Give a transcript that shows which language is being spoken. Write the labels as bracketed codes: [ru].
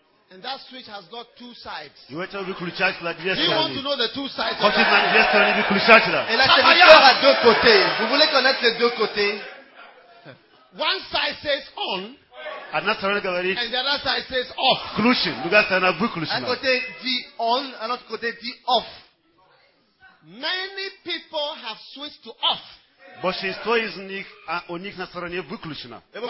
[en] And that switch has got two sides. You want to know the two sides? [fr] Vous voulez connaître les deux côtés? [en] One side says on. [ru] Одна сторона говорит. [en] And the other side says off. [ru] Включен. Другая сторона выключена. [fr] Un côté dit on, un autre côté dit off. [en] Many people have switched to off. [ru] Большинство из них, у них на стороне выключено.